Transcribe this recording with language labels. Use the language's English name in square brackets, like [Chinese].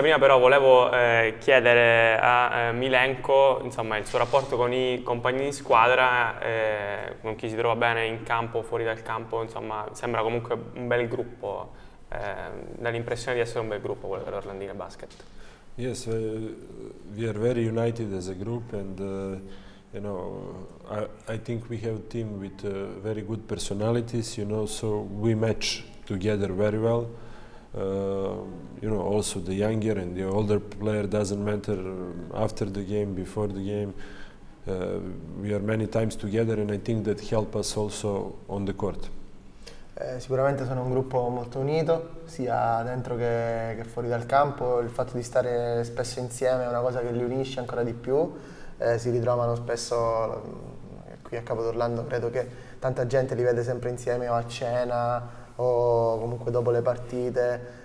[Italian] Prima però volevo chiedere a Milenko, insomma, il suo rapporto con i compagni di squadra, con chi si trova bene in campo, fuori dal campo, insomma, sembra comunque un bel gruppo. Dall'impressione di essere un bel gruppo quello dell'Orlandina Basket. [English] Yes, we are very united as a group, and you know, I think we have a team with very good personalities, you know, so we match together very well. You know, also the younger and the older player, doesn't matter, after the game, before the game, we are many times together, and I think that help us also on the court. [Italian] Sicuramente sono un gruppo molto unito, sia dentro che fuori dal campo. Il fatto di stare spesso insieme è una cosa che li unisce ancora di più. Si ritrovano spesso qui a Capo d'Orlando, credo che tanta gente li vede sempre insieme, o a cena o comunque dopo le partite.